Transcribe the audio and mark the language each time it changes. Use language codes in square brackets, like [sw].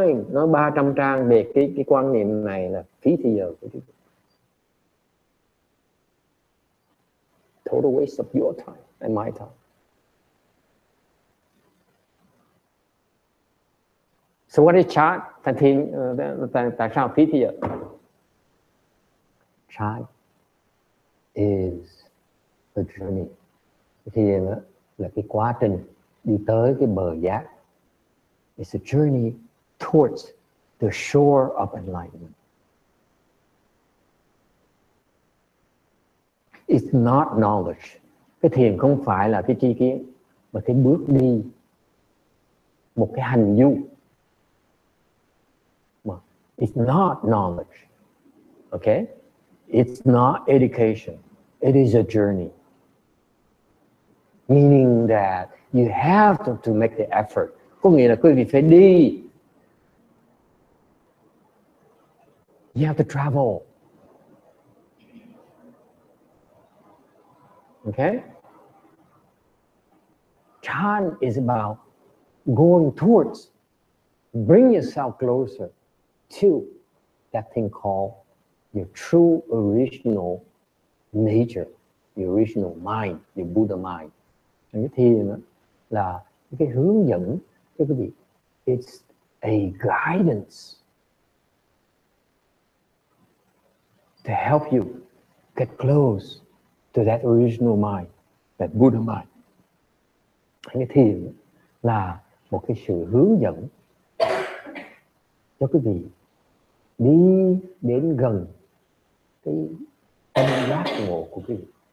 [vi] Nói 300 trang về cái quan niệm này là phí thời giờ. [en] Total waste of your time and my time. So what is chat? [vi] Tại sao phí thời giờ? [en] Chat is the journey. [vi] Thiền là cái quá trình đi tới cái bờ giác. [en] It's a journey towards the shore of enlightenment. It's not knowledge. [vi] Cái thiền không phải là cái tri kiến, mà cái bước đi, một cái hành du. [en] It's not knowledge. Okay? It's not education. It is a journey. Meaning that you have to make the effort. [vi] Có nghĩa là quý vị phải đi. [en] You have to travel. Okay? Chan is about going towards, bring yourself closer to that thing called your true original nature, your original mind, your Buddha mind. [vi] Cái thiền là cái hướng dẫn cho quý vị. [en] It's a guidance to help you get close to that original mind, that Buddha mind. [vi] Cái thiền là một cái sự hướng dẫn cho quý vị đi đến gần cái tâm giác ngộ của quý vị.